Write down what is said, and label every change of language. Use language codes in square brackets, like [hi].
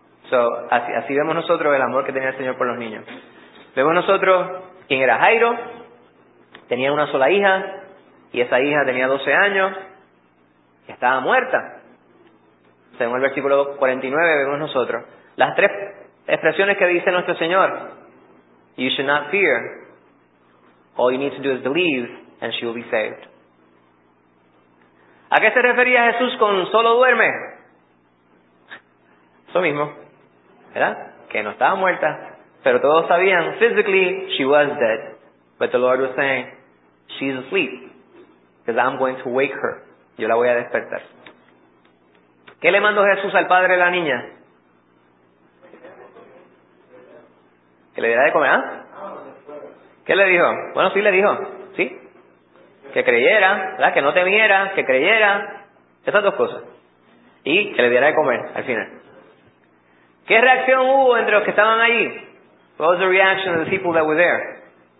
[es] So, así vemos nosotros el amor que tenía el Señor por los niños. Vemos nosotros quién era Jairo. Tenía una sola hija, y esa hija tenía 12 años, y estaba muerta. Según el versículo 49, vemos nosotros las tres expresiones que dice nuestro Señor. [en] You should not fear. All you need to do is believe, and she will be saved. [es] ¿A qué se refería Jesús con solo duerme? Eso mismo, ¿verdad? Que no estaba muerta, pero todos sabían, [en] physically, she was dead. But the Lord was saying, she's asleep, because I'm going to wake her. [es] Yo la voy a despertar. ¿Qué le mandó Jesús al padre de la niña? Que le diera de comer, ¿ah? ¿Qué le dijo? Bueno, sí le dijo, ¿sí? Que creyera, ¿verdad? Que no temiera, que creyera. Esas dos cosas. Y que le diera de comer, al final. ¿Qué reacción hubo entre los que estaban allí? [en] What was the reaction of the people that were there?